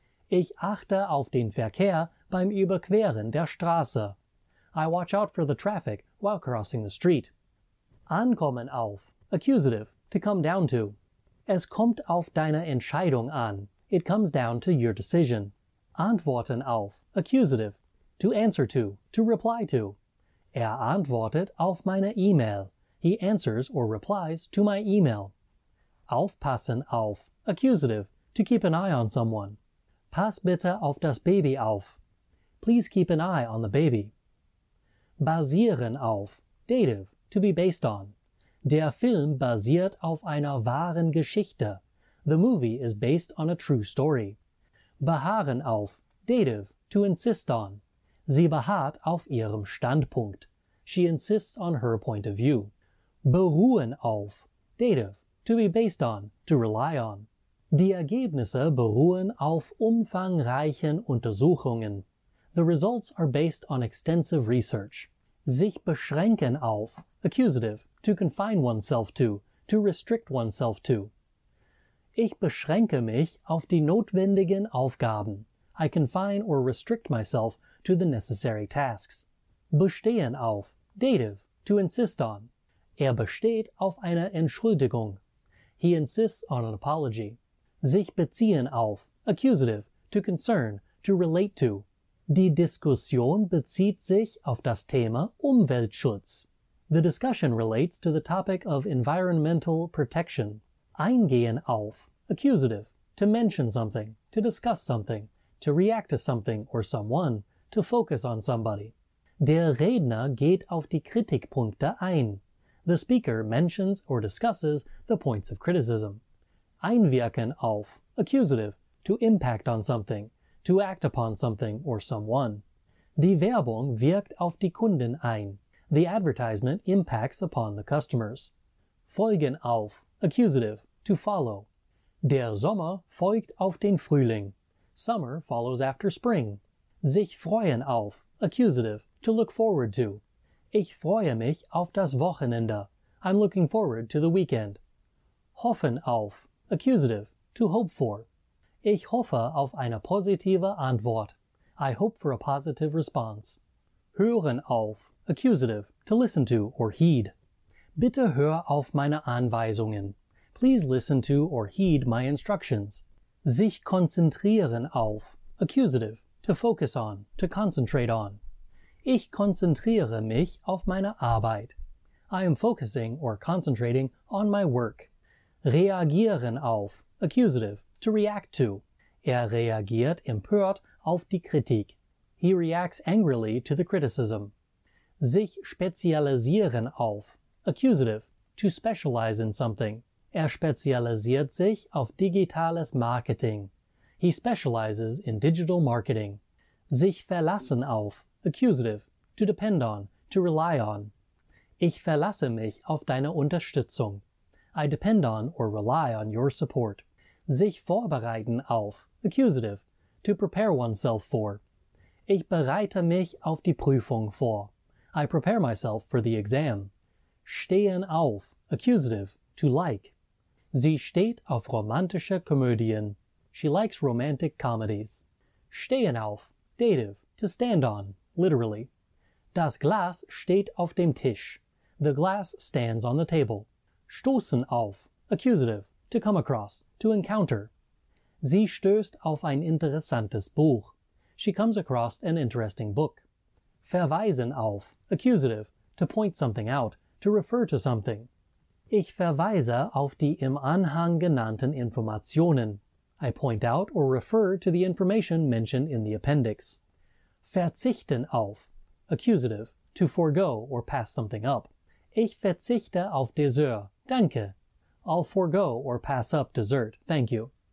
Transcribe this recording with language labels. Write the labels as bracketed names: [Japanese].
[German] Ich achte auf den Verkehr beim Überqueren der Straße. [English] I watch out for the traffic while crossing the street. Ankommen auf, accusative, to come down to. [German] Es kommt auf deine Entscheidung an. [English] It comes down to your decision. Antworten auf, accusative, to answer to reply to. [German] Er antwortet auf meine E-Mail. [English] He answers or replies to my email. Aufpassen auf, accusative, to keep an eye on someone. [German] Pass bitte auf das Baby auf. [English] Please keep an eye on the baby. Basieren auf, dative, to be based on. [German] Der Film basiert auf einer wahren Geschichte. [English] The movie is based on a true story. Beharren auf, dative, to insist on. [German] Sie beharrt auf ihrem Standpunkt. [English] She insists on her point of view. Beruhen auf, dative, to be based on, to rely on. [German] Die Ergebnisse beruhen auf umfangreichen Untersuchungen. [English] The results are based on extensive research. Sich beschränken auf, accusative, to confine oneself to restrict oneself to. [German] Ich beschränke mich auf die notwendigen Aufgaben. [English] I confine or restrict myself to the necessary tasks. [German] Bestehen auf, [English] dative, to insist on. [German] Er besteht auf einer Entschuldigung. [English] He insists on an apology. Sich beziehen auf, accusative, to concern, to relate to. [German] Die Diskussion bezieht sich auf das Thema Umweltschutz. [English] The discussion relates to the topic of environmental protection. Eingehen auf, accusative, to mention something, to discuss something, to react to something or someone, to focus on somebody. [German] Der Redner geht auf die Kritikpunkte ein. [English] The speaker mentions or discusses the points of criticism. Einwirken auf, accusative, to impact on something, to act upon something or someone. [German] Die Werbung wirkt auf die Kunden ein. [English] The advertisement impacts upon the customers. [German] Folgen auf, [English] accusative, to follow. [German] Der Sommer folgt auf den Frühling. [English] Summer follows after spring. Sich freuen auf, accusative, to look forward to. [German] Ich freue mich auf das Wochenende. [English] I'm looking forward to the weekend. Hoffen auf, accusative, to hope for. [German] Ich hoffe auf eine positive Antwort. [English] I hope for a positive response. Hören auf, accusative, to listen to or heed. [German] Bitte hör auf meine Anweisungen. [English] Please listen to or heed my instructions. Sich konzentrieren auf, accusative, to focus on, to concentrate on. [German] Ich konzentriere mich auf meine Arbeit. [English] I am focusing or concentrating on my work. Reagieren auf, accusative, to react to. [German] Er reagiert empört auf die Kritik. [English] He reacts angrily to the criticism. Sich spezialisieren auf, accusative, to specialize in something. [German] Er spezialisiert sich auf digitales Marketing. [English] He specializes in digital marketing. Sich verlassen auf, accusative, to depend on, to rely on. [German] Ich verlasse mich auf deine Unterstützung. [English] I depend on or rely on your support. Sich vorbereiten auf, accusative, to prepare oneself for. [German] Ich bereite mich auf die Prüfung vor. [English] I prepare myself for the exam. Stehen auf, accusative, to like. [German] Sie steht auf romantische Komödien. [English] She likes romantic comedies. Stehen auf, dative, to stand on, literally. [German] Das Glas steht auf dem Tisch. [English] The glass stands on the table. Stoßen auf, accusative, to come across, to encounter. [German] Sie stößt auf ein interessantes Buch. [English] She comes across an interesting book. Verweisen auf, accusative, to point something out, to refer to something. [German] Ich verweise auf die im Anhang genannten Informationen. [English] I point out or refer to the information mentioned in the appendix. Verzichten auf, accusative, to forego or pass something up. [German] Ich verzichte auf Dessert, danke. [English] I'll forego or pass up dessert, thank you.